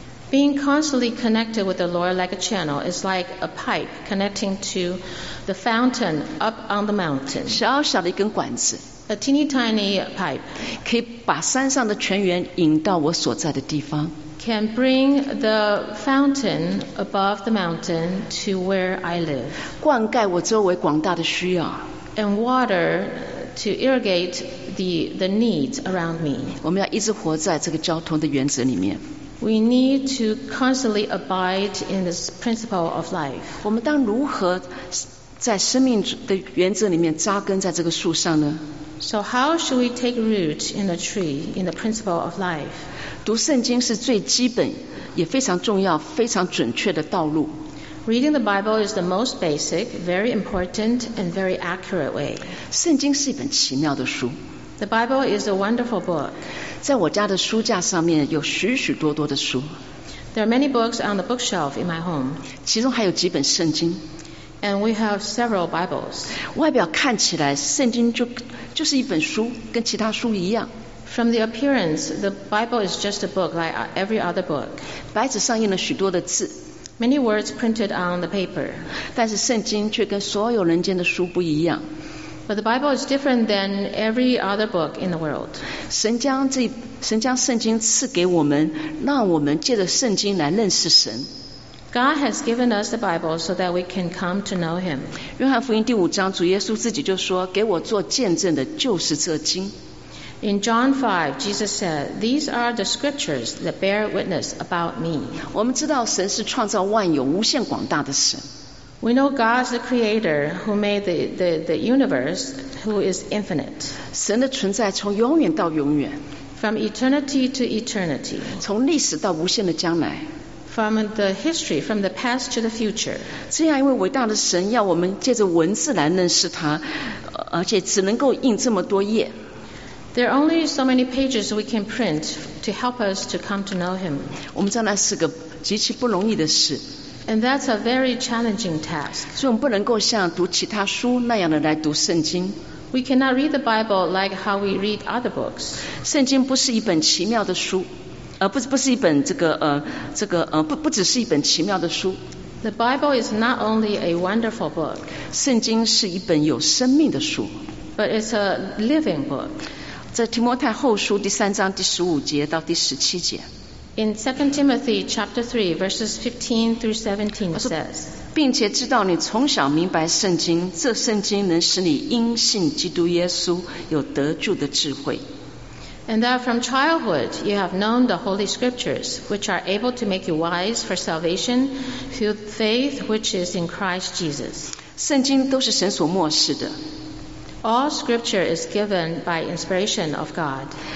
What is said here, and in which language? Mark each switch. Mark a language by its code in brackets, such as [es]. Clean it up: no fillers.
[en] Being constantly connected with the Lord like a channel is like a pipe connecting to the fountain up on the mountain. [zh] 小小的一根管子。 [en] A teeny tiny pipe. [zh] 可以把山上的泉源引到我所在的地方。 [en] can bring the fountain above the mountain to where I live. [zh] 灌溉我周围广大的需要。 [en] And water to irrigate the needs around me. [zh] 我们要一直活在这个交通的原则里面。 [en] We need to constantly abide in this principle of life. [zh] 我们当如何在生命的原则里面扎根在这个树上呢？ [en] So how should we take root in the tree, in the principle of life? [zh] 读圣经是最基本也非常重要非常准确的道路。 [en] Reading the Bible is the most basic, very important, and very accurate way. [zh] 圣经是一本奇妙的书。 [en] The Bible is a wonderful book. [zh] 在我家的书架上面有许许多多的书。 [en] There are many books on the bookshelf in my home. [zh] 其中还有几本圣经。 [en] And we have several Bibles. [zh] 外表看起来圣经就是一本书跟其他书一样。 [en] From the appearance, the Bible is just a book like every other book. [zh] 白纸上印了许多的字。 [en] Many words printed on the paper. [zh] 但是圣经却跟所有人间的书不一样。 [en] But the Bible is different than every other book in the world. [zh] 神将圣经赐给我们，让我们借着圣经来认识神。 [en] God has given us the Bible so that we can come to know Him. [zh] 约翰福音第五章，主耶稣自己就说：“给我做见证的就是这经。” [en] In John 5, Jesus said, "These are the scriptures that bear witness about me." [zh] 我们知道神是创造万有、无限广大的神。 [en] We know God is the Creator who made the universe, who is infinite. [zh] 神的存在从永远到永远。 [en] From eternity to eternity. [zh] 从历史到无限的将来。 [en] From the history, from the past to the future. [zh] 这样一位伟大的神要我们借着文字来认识他，而且只能够印这么多页。 [en] There are only so many pages we can print to help us to come to know him. [zh] 我们知道那是个极其不容易的事。 [en] And that's a very challenging task. [zh] 所以我们不能够像读其他书那样的来读圣经。 [en] We cannot read the Bible like how we read other books. [zh] 圣经不是一本奇妙的书。不是一本不只是一本奇妙的书。 [en] The Bible is not only a wonderful book. [zh] 圣经是一本有生命的书。 [en] But it's a living book. [zh] 在提摩太后书第三章第十五节到第十七节。 [en] In 2 Timothy chapter 3 verses 15 through 17 says, [zh] 并且知道你从小明白圣经，这圣经能使你因信基督耶稣有得救的智慧。 [en] And that from childhood you have known the Holy Scriptures, which are able to make you wise for salvation through faith which is in Christ Jesus. [zh] 圣经都是神所默示的。 [en] All Scripture is given by inspiration of God.